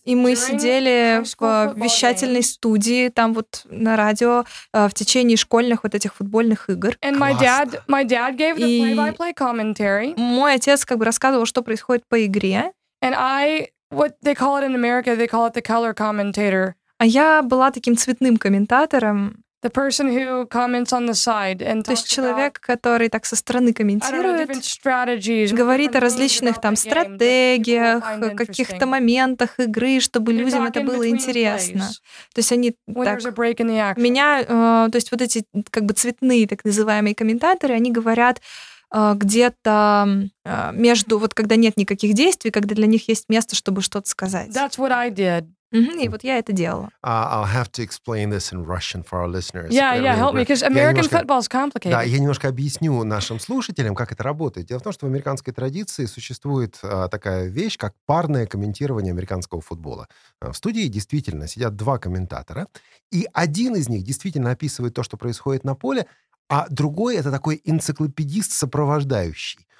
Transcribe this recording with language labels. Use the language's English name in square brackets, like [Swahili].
[Russian] И мы сидели в вещательной студии, там вот на радио, в течение школьных вот этих футбольных игр. [English] And my dad gave the play-by-play commentary. [Russian] Мой отец как бы рассказывал, что происходит по игре. [English] And I, what they call it in America, they call it the color commentator. [Russian] А я была таким цветным комментатором. [English] The person who comments on the side and [Russian] то есть человек, который так со стороны комментирует, говорит о различных там стратегиях, каких-то моментах игры, чтобы людям это было интересно. То есть они так меня, то есть вот эти как бы цветные так называемые комментаторы, они говорят где-то между вот когда нет никаких действий, когда для них есть место, чтобы что-то сказать. [English] That's what I did. [Russian] И вот я это делала. [English] I'll have to explain this in Russian for our listeners. Yeah, help me, because American football is complicated. [Russian] Да, я немножко объясню нашим слушателям, как это работает. Дело в том, что в американской традиции существует такая вещь, как парное комментирование американского футбола. В студии действительно сидят 2 комментатора, и один из них действительно описывает то, что происходит на поле, а другой — это такой энциклопедист-сопровождающий.